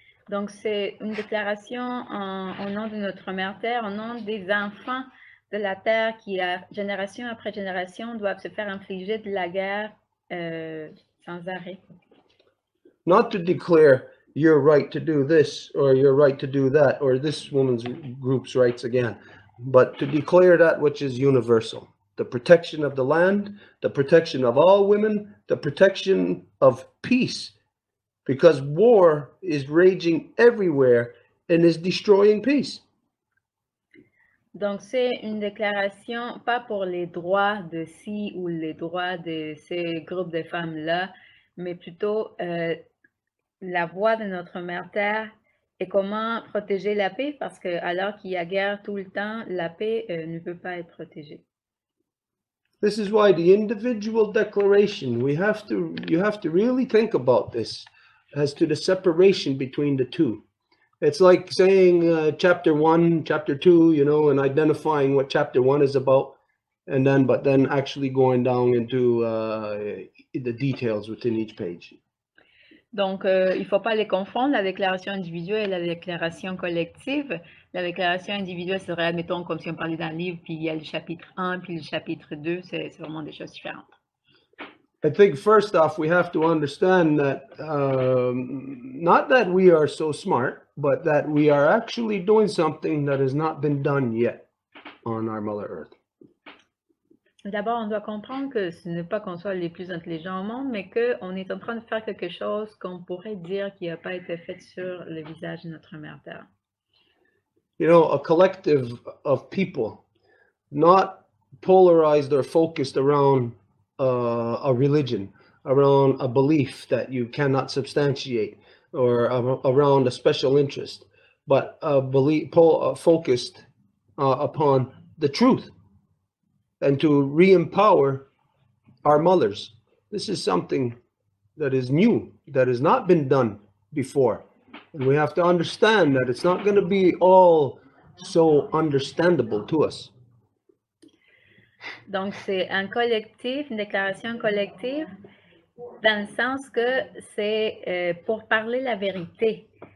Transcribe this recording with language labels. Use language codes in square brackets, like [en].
[fr] Donc c'est une déclaration au nom de notre Mère Terre, au nom des enfants de la terre qui, génération après génération, doivent se faire infliger de la guerre sans arrêt. [en] Not to declare your right to do this or your right to do that or this woman's group's rights again, but to declare that which is universal. The protection of the land, the protection of all women, the protection of peace, because war is raging everywhere and is destroying peace. [fr] Donc, c'est une déclaration, pas pour les droits de ci ou les droits de ces groupes de femmes-là, mais plutôt la voix de notre mère terre et comment protéger la paix, parce que alors qu'il y a guerre tout le temps, la paix ne peut pas être protégée. [en] This is why the individual declaration, you have to really think about this as to the separation between the two. It's like saying chapter one, chapter two, you know, and identifying what chapter one is about, and then, but then actually going down into the details within each page. [fr] Donc, il ne faut pas les confondre, la déclaration individuelle et la déclaration collective. La déclaration individuelle serait, admettons, comme si on parlait d'un livre, puis il y a le chapitre 1, puis le chapitre 2, c'est vraiment des choses différentes. [en] I think first off, we have to understand that not that we are so smart, but that we are actually doing something that has not been done yet on our Mother Earth. [fr] D'abord, on doit comprendre que ce n'est pas qu'on soit les plus intelligents au monde, mais qu'on est en train de faire quelque chose qu'on pourrait dire qui n'a pas été fait sur le visage de notre mère terre. [en] You know, a collective of people, not polarized or focused around a religion, around a belief that you cannot substantiate, or around a special interest, but a belief focused upon the truth and to re-empower our mothers. This is something that is new, that has not been done before. And we have to understand that it's not going to be all so understandable to us. [fr] Donc, c'est un collectif, une déclaration collective, dans le sens que c'est pour parler la vérité.